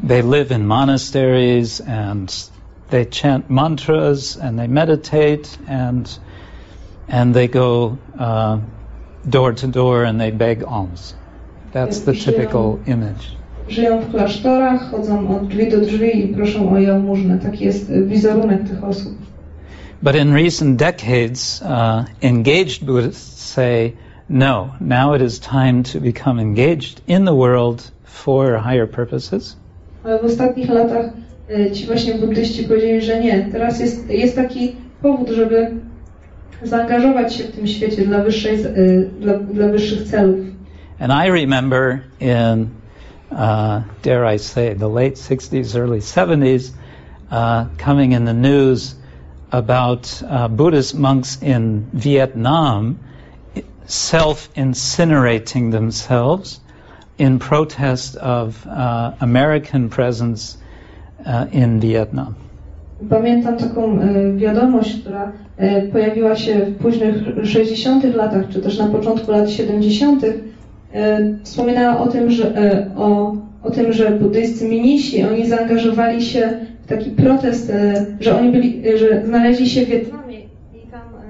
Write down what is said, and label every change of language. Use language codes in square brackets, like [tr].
[en] They live in monasteries and they chant mantras and they meditate and they go door to door and they beg alms. That's the typical image. [pl] Żyją w klasztorach, chodzą od drzwi do drzwi i proszą o jałmużnę. Taki jest wizerunek tych osób. [en] But in recent decades, engaged Buddhists say, no, now it is time to become engaged in the world for higher purposes. [pl] Ale w ostatnich latach ci właśnie buddyści powiedzieli, że nie. Teraz jest taki powód, żeby zaangażować się w tym świecie dla wyższych celów. [en] And I remember in dare I say, the late 60s, early 70s, coming in the news about Buddhist monks in Vietnam self-incinerating themselves in protest of American presence in Vietnam. [pl] Pamiętam taką wiadomość, która pojawiła się w późnych 60-tych latach, czy też na początku lat 70-tych. Wspominała o tym, że, o tym, że buddyjscy mnisi, oni zaangażowali się w taki protest, że oni byli, że znaleźli się w Wietnamie i tam...